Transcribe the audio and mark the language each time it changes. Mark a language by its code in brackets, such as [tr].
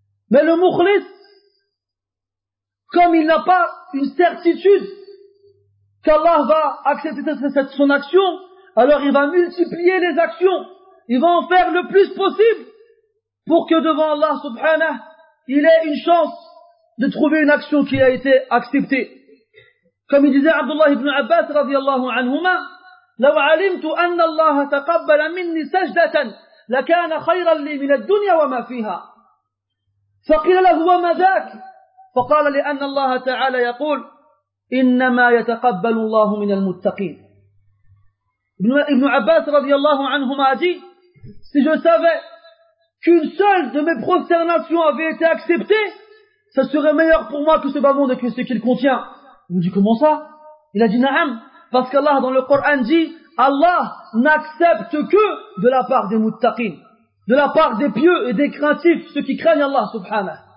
[fr] Mais le mukhlis, comme il n'a pas une certitude qu'Allah va accepter son action, alors il va multiplier les actions ils vont en faire le plus possible pour que devant Allah subhanahu, il ait une chance de trouver une action qui a été acceptée. Comme il disait [ar] Abdullah ibn Abbas radiyallahu anhumah, لو علمت أن الله تقبل مني سجدة لكان خيرا لي من الدنيا وما فيها. فقيل له وما ذاك؟ فقال لأن الله تعالى يقول إنما يتقبل الله من المتقين. ابن عباس رضي الله عنهما [fr] dit, si je savais qu'une seule de mes prosternations avait été acceptée, ça serait meilleur pour moi que ce bâton de ce qu'il contient. Il me dit, comment ça? Il a dit, na'am. Parce qu'Allah dans le Coran dit, Allah n'accepte que de la part des muttaqin, de la part des pieux et des craintifs, ceux qui craignent Allah subhanahu.